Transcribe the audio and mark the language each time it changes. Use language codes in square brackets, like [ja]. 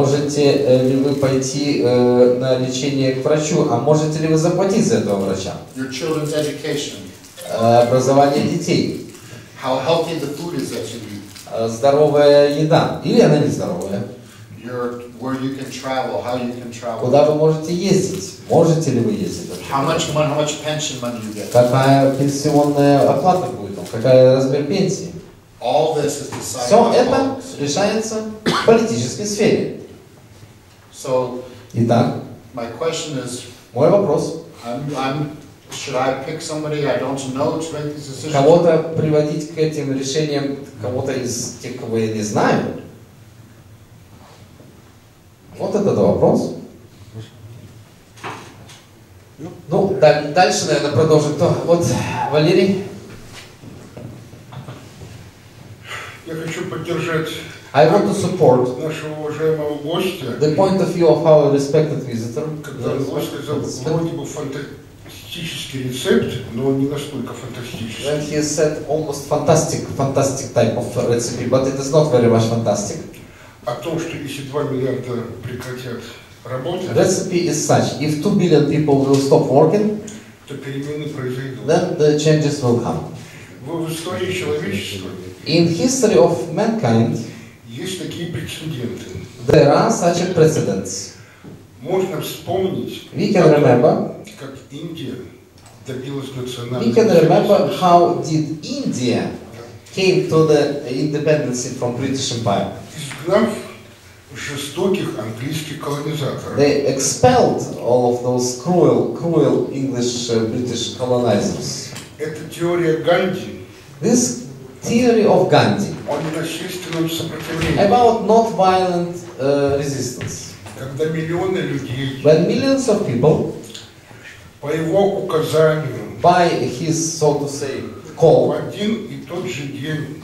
[ru] Можете ли вы пойти на лечение к врачу? А можете ли вы заплатить за этого врача? [en] Your children's education. [ru] Образование детей. [en] How healthy the food is that you eat. [ru] Здоровая еда. Или она не здоровая. [en] Where you can travel, how you can travel. [ru] Куда вы можете ездить? Можете ли вы ездить? [en] How much pension money you get? [ru] Какая пенсионная оплата будет? Какой размер пенсии? [en] All this is decided. [ru] Все это решается в политической сфере. [en] So, [ru] итак, [en] my question is, [ru] мой вопрос. [en] Should I pick somebody I don't know to make these decisions? [ru] Кого-то приводить к этим решениям, кого-то из тех, кого я не знаю? Вот этот вопрос. Ну, дальше, наверное, продолжим. Вот, Валерий. Я хочу поддержать [en] I want to support [ru] нашего уважаемого гостя. [en] The point of view of our respected visitor. [ru] Когда он сказал, вроде бы фантастический рецепт, но он не настолько фантастический. [en] When he said almost fantastic type of recipe, but it is not very much fantastic. [ru] о том, что если 2 миллиарда прекратят работу, [en] recipe is such, if 2 billion people will stop working, [ru] то перемены произойдут. [en] Then the changes will come. [ru] В истории человечества, [en] in history of mankind, [ru] есть такие прецеденты. [en] There are such precedents. [ru] Можно вспомнить, [en] we can remember, [ru] как Индия добилась национальной. [en] We can remember how did India came to the independence from British Empire. [ru] Изгнав жестоких английских колонизаторов. [en] They expelled all of those cruel English British colonizers. [ru] Это теория Ганди. [en] This theory of Gandhi. [ru] О ненасильственном сопротивлении. [en] About non-violent resistance. [ru] Когда миллионы людей. [en] When millions of people. [ru] По его указанию. [en] By his, so to say, call. [ru] В один и тот же день.